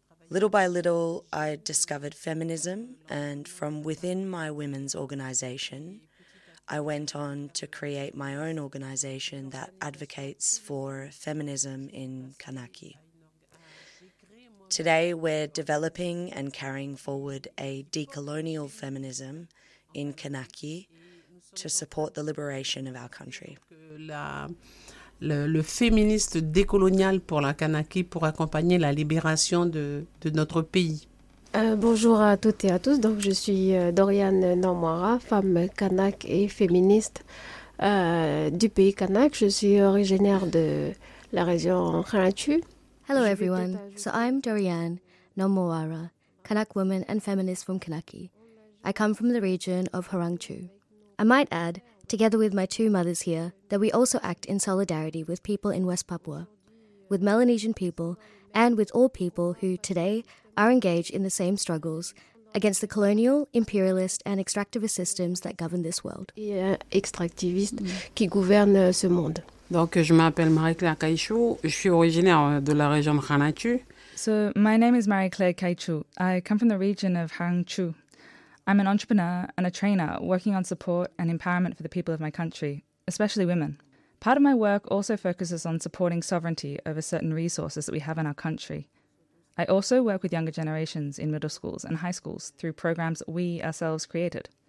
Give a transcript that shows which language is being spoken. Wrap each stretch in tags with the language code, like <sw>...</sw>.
<en>Little by little, I discovered feminism, and from within my women's organization, I went on to create my own organization that advocates for feminism in Kanaki. Today, we're developing and carrying forward a decolonial feminism in Kanaki to support the liberation of our country.</en> <fr>Le féministe décolonial pour la Kanaky pour accompagner la libération de notre pays. Bonjour à toutes et à tous. Donc je suis Dorian Nomwara, femme Kanak et féministe du pays Kanak. Je suis originaire de la région Khanatu.</fr> <en>Hello everyone. So I'm Dorian Nomwara, Kanak woman and feminist from Kanaky. I come from the region of Hurangchu. I might add, together with my two mothers here, that we also act in solidarity with people in West Papua, with Melanesian people, and with all people who, today, are engaged in the same struggles against the colonial, imperialist, and extractivist systems that govern this world.</en> <fr>Et extractiviste qui gouverne ce monde. Donc, je m'appelle Marie-Claire Kaishu, je suis originaire de la région de Khanatu.</fr> <en>So, my name is Marie-Claire Kaishu. I come from the region of Hangchu. I'm an entrepreneur and a trainer working on support and empowerment for the people of my country, especially women. Part of my work also focuses on supporting sovereignty over certain resources that we have in our country. I also work with younger generations in middle schools and high schools through programs we ourselves created.</en>